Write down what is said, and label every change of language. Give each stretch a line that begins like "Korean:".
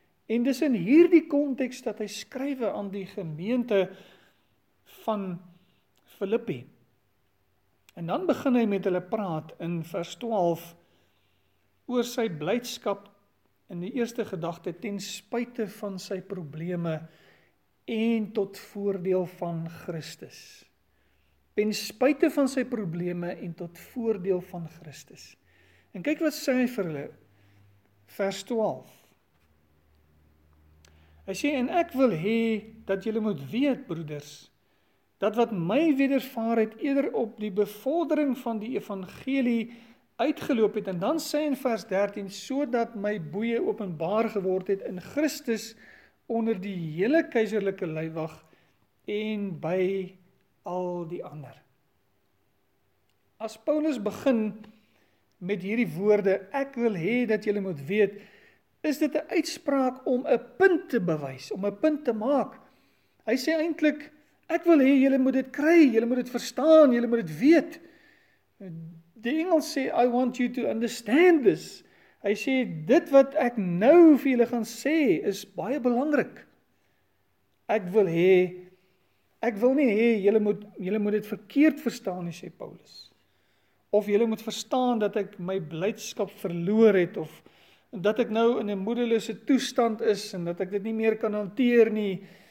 Afrikaans: En dis in hierdie konteks dat hy skrywe aan die gemeente van Filippi. En dan begin hy met hulle praat in vers 12 oor sy blydskap in die eerste gedagte ten spyte van sy probleme en tot voordeel van Christus. Ten spyte van sy probleme en tot voordeel van Christus. En kyk wat sê hy vir hulle, vers 12. Hy sê, en ek wil hê dat julle moet weet, broeders, dat wat my wedervaar het, eerder op die bevordering van die evangelie uitgeloop het, en dan sê in vers 13, sodat my boeie openbaar geword het in Christus onder die hele keizerlike lywag en by al die ander. As Paulus begin met hierdie woorde, ek wil hê dat julle moet weet, is dit 'n uitspraak om 'n punt te bewys, om 'n punt te maak. Hy sê eintlik, ek wil hê julle moet dit kry, julle moet dit verstaan, julle moet dit weet. Die Engels sê,
English: I want you to understand this.
Afrikaans: Hy sê, dit wat ek nou vir julle gaan sê, is baie belangrik. Ek wil nie hê, julle moet dit verkeerd verstaan, hy sê Paulus. Of julle moet verstaan dat ek my blydskap verloor het, of dat ek nou in 'n moedelose toestand is, en dat ek dit nie meer kan hanteer nie.